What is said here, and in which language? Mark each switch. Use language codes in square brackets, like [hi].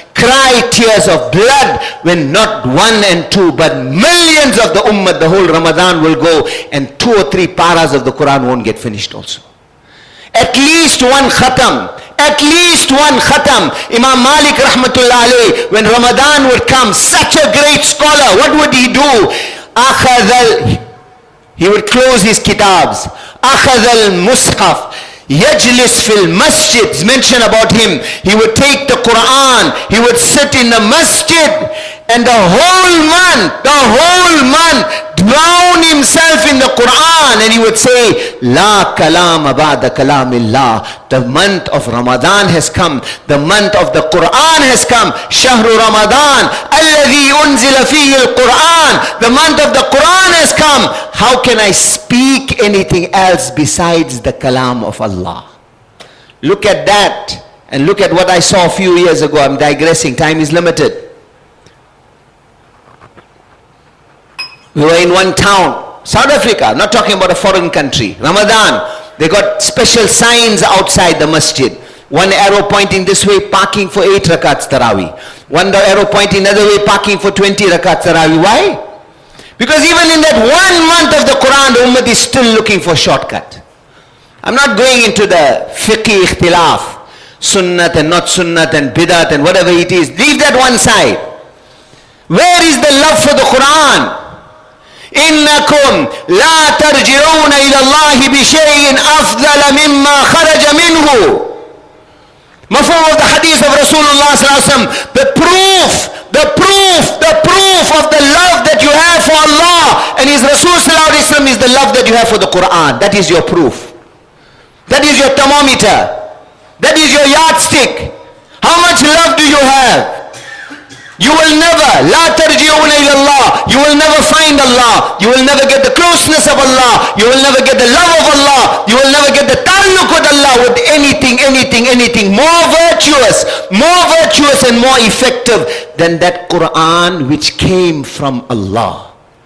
[en] Cry tears of blood when not one and two, but millions of the ummah, the whole Ramadan will go and two or three paras of the Quran won't get finished also. At least one khatam. At least one khatam. Imam Malik rahmatullah alayh, when Ramadan would come, such a great scholar, what would he do? Akhazal. He would close his kitabs. [ar] أخذ المصحف يجلس في المسجد. [en] It's mentioned about him. He would take the Quran. He would sit in the masjid. And the whole month, drown himself in the Quran. And he would say, [ar] لا كلام بعد كلام الله. [en] The month of Ramadan has come. The month of the Quran has come. [ar] شهر رمضان الذي أنزل فيه القرآن. [en] The month of the Quran has come. How can I speak anything else besides the kalam of Allah? Look at that. And look at what I saw a few years ago. I'm digressing. Time is limited. We were in one town, South Africa, not talking about a foreign country. Ramadan, they got special signs outside the masjid. One arrow pointing this way, parking for 8 rakats tarawih. One arrow pointing another way, parking for 20 rakats tarawih. Why? Because even in that 1 month of the Quran, the ummah is still looking for a shortcut. I'm not going into the fiqh ikhtilaf, sunnat and not sunnat and bidat and whatever it is. Leave that one side. Where is the love for the Quran? [ar] إنكم لا ترجعون إلى الله بشيء أفضل مما خرج منه. [en] مفهوم of the hadith of Rasulullah صلى الله عليه وسلم. The proof of the love that you have for Allah and His Rasul صلى الله عليه وسلم is the love that you have for the Quran. That is your proof. That is your thermometer. That is your yardstick. How much love do you have? You will never, [ar] لا ترجعون إلى الله. [en] You will never find Allah. You will never get the closeness of Allah. You will never get the love of Allah. You will never get the taluk with Allah with anything more virtuous and more effective than that Quran which came from Allah.